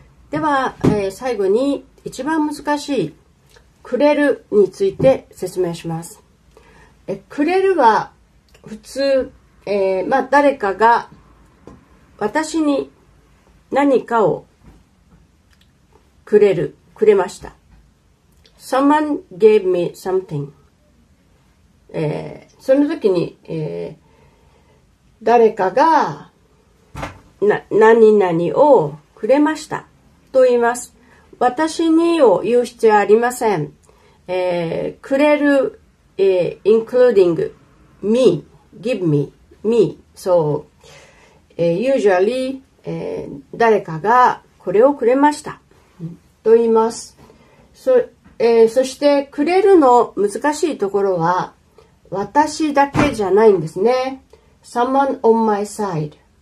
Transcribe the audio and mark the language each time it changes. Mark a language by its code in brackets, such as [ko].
[ja] では、最後に一番難しい、くれるについて説明します。くれるは、普通、まあ、誰かが私に何かをくれる、くれました。 [en] Someone gave me something. [ja] その時に、誰かが何々をくれましたと言います。私にを言う必要ありません。 [en] くれる、including me, give me, me. So, usually, [ja] 誰かがこれをくれましたと言います。そしてくれるの難しいところは、私だけじゃないんですね。 [en] Someone on my side.